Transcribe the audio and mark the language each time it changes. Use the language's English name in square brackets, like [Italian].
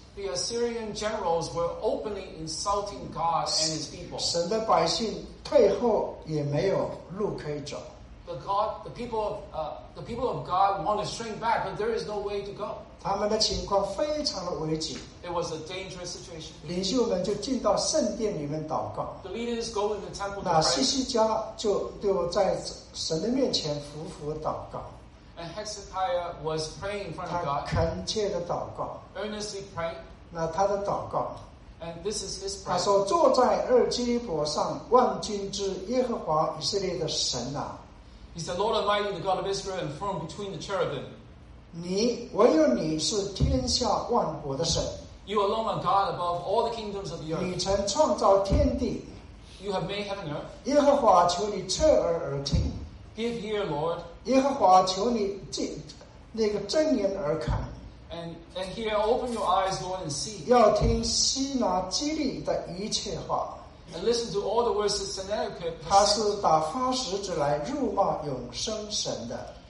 [English] the Assyrian generals were openly insulting God and his people. [Chinese] 神的百姓退后也没有路可以走, [English] the people of God want to shrink back, but there is no way to go. [Chinese] 他们的情况非常的危急, [English] it was a dangerous situation. [Chinese] 领袖们就进到圣殿里面祷告, [English] the leaders go in the temple to [Chinese] pray. 那西西家就在神的面前匍匐祷告, [English] And Hezekiah was praying in front of God. [Chinese] 恳切的祷告, [English] earnestly praying. [Chinese] 那他的祷告, [English] and this is his prayer. [Chinese] 他说, 坐在二基伯上, 万军之耶和华以色列的神啊, [English] he said, Lord Almighty, the God of Israel, enthroned between the cherubim. [Chinese] 你唯有你是天下万国的神, [English] you alone are God above all the kingdoms of the earth. [Chinese] 你曾创造天地, [English] you have made heaven and earth. [Chinese] 耶和华求你侧耳而听, [English] give ear, Lord. [Chinese] 耶和华求你这那个睁眼而看, [English] and hear, open your eyes, Lord, and see. [Chinese] 要听希拿基利的一切话, [English] and listen to all the words that Sennacherib. [Chinese] 他是打发使者来辱骂永生神的.